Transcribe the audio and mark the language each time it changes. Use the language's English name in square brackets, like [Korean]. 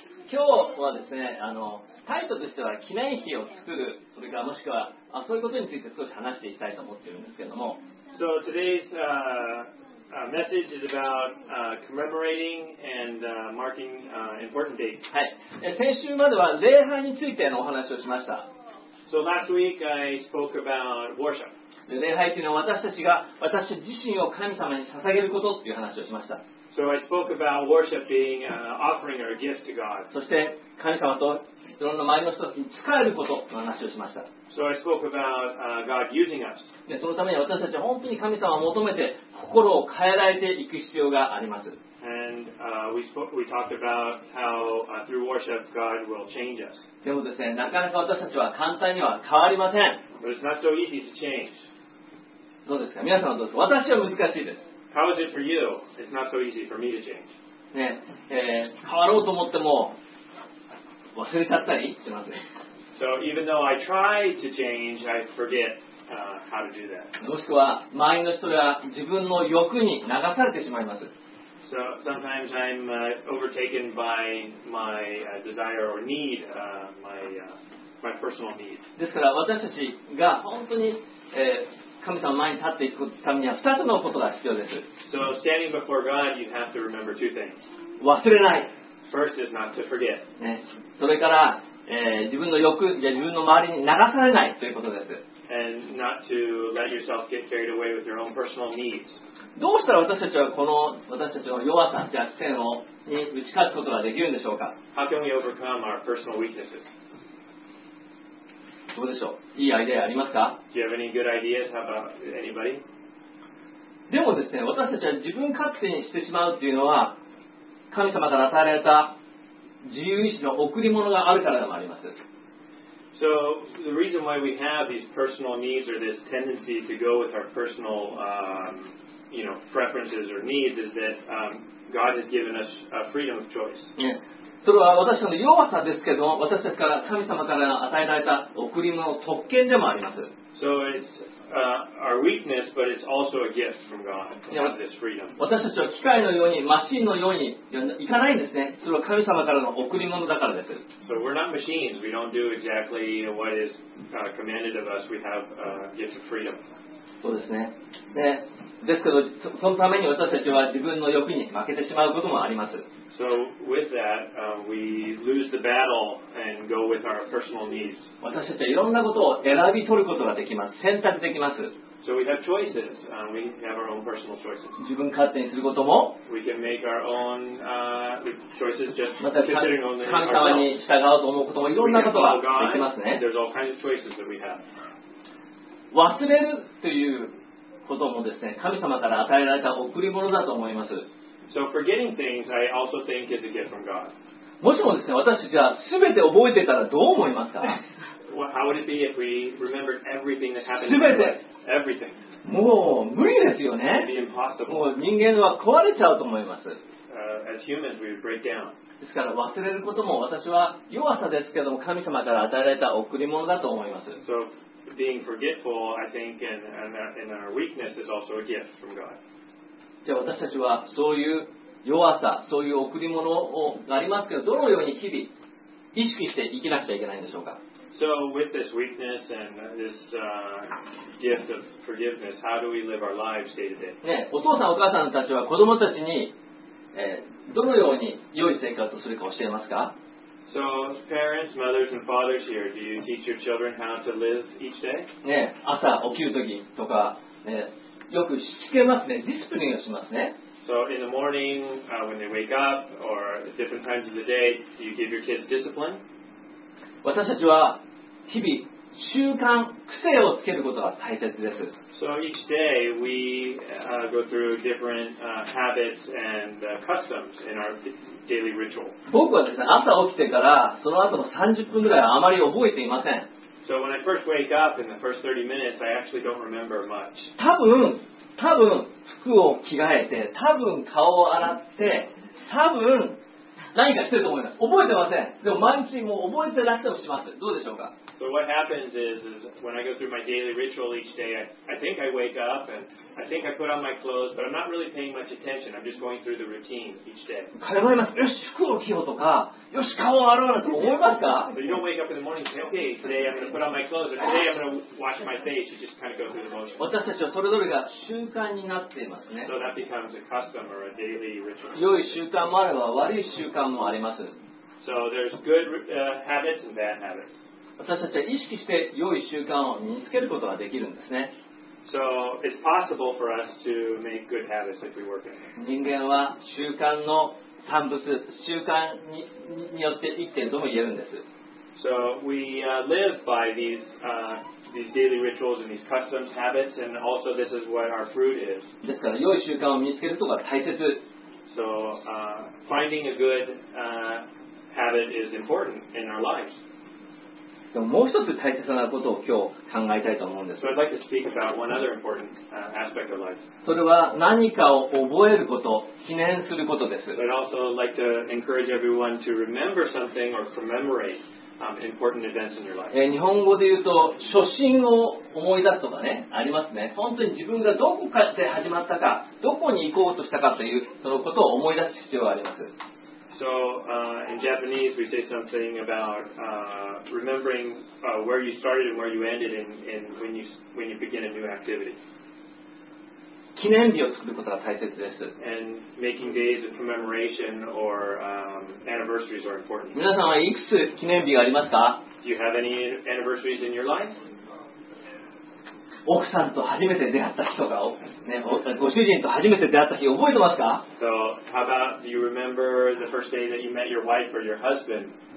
[Japanese] 今日はですね、タイトルとしては記念碑を作る、それからもしくはそういうことについて少し話していきたいと思っているんですけれども。 [English] So today's message is about commemorating and marking important dates. はい。 [Japanese] 先週までは礼拝についてのお話をしました。 [English] So last week I spoke about worship. [Japanese] 礼拝というのは私たちが私自身を神様に捧げることっていう話をしました。 [English] So I spoke about worship being an offering or a gift to God. [Japanese] そして神様と自分の周りの人たちに仕えることの話をしました。 [English] So I spoke about, God using us. [Japanese] でそのために私たちは本当に神様を求めて心を変えられていく必要があります。でもですね、なかなか私たちは簡単には変わりません。 [English] But it's not so easy to change. [Japanese] どうですか、皆さんはどうですか。私は難しいです。 [English] How is it for you? It's not so easy for me to change. [Japanese] ね、変わろうと思っても忘れちゃったりします。 [English] So even though I try to change, I forget how to do that. [Japanese] もしくは周りの人が自分の欲に流されてしまいます。 [English] So sometimes I'm overtaken by my desire or need, my personal need. [Japanese] ですから私たちが本当に、神様前に立っていくためには二つのことが必要です。 [English] So standing before God, you have to remember two things. [Japanese] 忘れない。 [English] First is not to forget. [Japanese] ね、それから、自分の欲や自分の周りに流されないということです。 [English] And not to let yourself get carried away with your own personal needs. [Japanese] どうしたら私たちはこの私たちの弱さ弱点をに打ち勝つことができるんでしょうか。 [English] How can we overcome our personal weaknesses? [Japanese] どうでしょう、いいアイデアありますか。 [English] Do you have any good ideas? How about anybody? [Japanese] でもですね、私たちは自分勝手にしてしまうというのは神様から与えられた自由意志の贈り物があるからでもあります。 [English] So the reason why we have these personal needs or this tendency to go with our personal, you know, preferences or needs is that God has given us a freedom of choice. [Japanese] それは私の弱さですけど、私たちから神様から与えられた贈り物の特権でもあります。 [English] So it's our weakness, but it's also a gift from God to have this freedom. [Japanese] 私たちは機械のようにマシンのようにいかないんですね。それは神様からの贈り物だからです。 [English] So we're not machines. We don't do exactly what is commanded of us. We have a gift of freedom. [Japanese] そうですね。で、ですけど、そのために私たちは自分の欲に負けてしまうこともあります。 [English] So with that, we lose the battle and go with our personal needs. [Japanese] 私たちはいろんなことを選び取ることができます。選択できます。 [English] So we have choices. We have our own personal choices. [Japanese] 自分勝手にすることも。 [English] We can make our own choices just considering only ourselves. [Japanese] 神様に従うと思うこともいろんなことができますね。 [English] There's all kinds of choices that we have. [Japanese] 忘れるということもですね、神様から与えられた贈り物だと思います。 [English] So forgetting things, I also think is a gift from God. [Japanese] もしもですね、私たちは全て覚えてたらどう思いますか。 [English] How would it be if we remembered everything that happened? [Japanese] 全て。 [English] Everything. [Japanese] もう無理ですよね。 [English] It'd be impossible. [Japanese] もう人間は壊れちゃうと思います。 [English] As humans, we would break down. [Japanese] ですから忘れることも私は弱さですけども神様から与えられた贈り物だと思います。 [English] So being forgetful, I think, and our weakness is also a gift from God. [Japanese] じゃあ私たちはそういう弱さ、そういう贈り物をありますけど、どのように日々意識して生きなくちゃいけないんでしょうか。 [English] So with this weakness and this gift of forgiveness, how do we live our lives day to day? [Japanese] ね、お父さんお母さんたちは子供たちにどのように良い生活をするか教えますか？ [English] So, parents, mothers, and fathers here, do you teach your children how to live each day? [Japanese] ね、朝起きるときとか、ね、よくしつけますね、ディスプリンをしますね。 [English] So, in the morning, when they wake up, or at different times of the day, do you give your kids discipline? [Japanese] 私たちは日々習慣、癖をつけることが大切です。 [English] So each day we go through different habits and customs in our daily ritual. [Japanese] 僕はですね、朝起きてからその後の30分ぐらいあまり覚えていません。 [English] So when I first wake up in the first 30 minutes, I actually don't remember much. [Japanese] 多分服を着替えて、多分顔を洗って、多分何かしてると思います。覚えてません。でも毎日もう覚えてらっしゃるします。どうでしょうか？ [English] So what happens is when I go through my daily ritual each day, I think I wake up and I think I put on my clothes, but I'm not really paying much attention. I'm just going through the routine each day. [Japanese] 彼は言います。よし、服を着ようとか、よし、顔を洗うなんて思いますか？ [English] So you don't wake up in the morning and say, okay, today I'm going to put on my clothes, or today I'm going to wash my face. You just kind of go through the motion. [Japanese] 私たちはそれぞれが習慣になっていますね。 [English] So that becomes a custom or a daily ritual. [Japanese] 良い習慣もあれば悪い習慣もあります。 [English] So there's good habits and bad habits. [Japanese] 私たちは意識して良い習慣を身につけることができるんですね。 [English] So it's possible for us to make good habits if we work in it. [Japanese] 人間は習慣の産物、習慣 によって生きているとも言えるんです。 [English] So we live by these daily rituals and these customs, habits, and also this is what our fruit is. [Japanese] ですから良い習慣を身につけることが大切。 [English] So finding a good habit is important in our lives. [Japanese] でももう一つ大切なことを今日考えたいと思うんです。それは何かを覚えること、記念することです。日本語で言うと、初心を思い出すとかね、ありますね。本当に自分がどこかで始まったか、どこに行こうとしたかという、そのことを思い出す必要があります。 [English] So in Japanese, we say something about remembering where you started and where you ended, and when you begin a new activity. [Japanese] 記念日を作ることが大切です。 [English] And making days of commemoration or anniversaries are important. [Japanese] 皆さんはいくつ記念日がありますか？ [English] Do you have any anniversaries in your life? [Japanese] 奥さんと初めて出会った人が多い。ね、ご主人と初めて出会った日覚えてますか？ [English] So, how about, do you remember the first day that you met your wife or your husband?